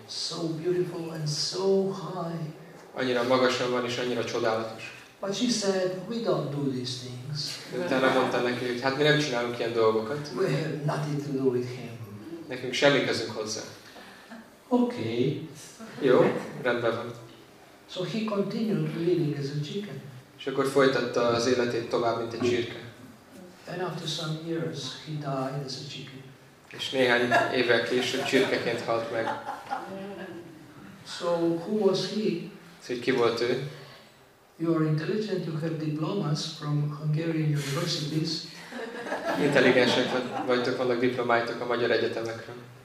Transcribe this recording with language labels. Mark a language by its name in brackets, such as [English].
[English] So beautiful and so high. [Hungarian] Annyira magasan van, és annyira csodálatos. [English] But she said, "We don't do these things." [Hungarian] Utána mondta neki, hogy hát mi nem csinálunk ilyen dolgokat. [English] We have nothing to do with him. [Hungarian] Nekünk semmi közünk hozzá. [English] Okay. [Hungarian] Jó, rendben van. [English] So he continued living as a chicken. [Hungarian] És akkor folytatta az életét tovább, mint egy csirke. [English] And after some years, he died as a chicken. [Hungarian] És néhány évvel később csirkeként halt meg. [English] So who was he? [Hungarian] Szóval ki volt ő? [English] You are intelligent, you have diplomas from Hungarian universities. [Hungarian] Intelligensek vagytok, vannak diplomáitok a magyar egyetemekről.